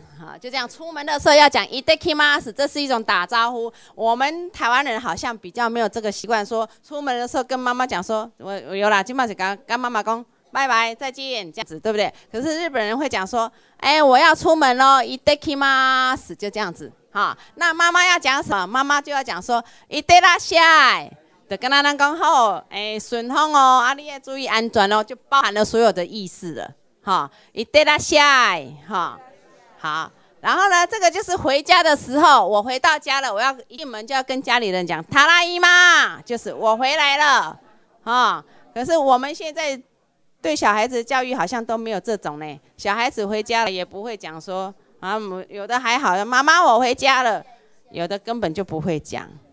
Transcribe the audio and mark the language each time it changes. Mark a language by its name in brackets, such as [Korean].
[Chinese] 好，就这样，出门的时候要讲 [Japanese] いってきます， [Chinese] 这是一种打招呼。我们台湾人好像比较没有这个习惯，说出门的时候跟妈妈讲说，我有啦，今晚就跟妈妈讲拜拜，再见，这样子，对不对？可是日本人会讲说，哎，我要出门喽， [Japanese] いってきます， [Chinese] 就这样子。好，那妈妈要讲什么？妈妈就要讲说 [Japanese] いってらっしゃい。 [Chinese] 就跟他们讲好，哎，顺风哦，啊，你要注意安全哦，就包含了所有的意思了，哈， [Japanese] いってらっしゃい， [Chinese] 哈，好，然后呢，这个就是回家的时候，我回到家了，我要一门就要跟家里人讲， [Japanese] ただいま， [Chinese] 就是我回来了，哈，可是我们现在对小孩子教育好像都没有这种呢，小孩子回家了也不会讲说，啊，有的还好，妈妈我回家了，有的根本就不会讲。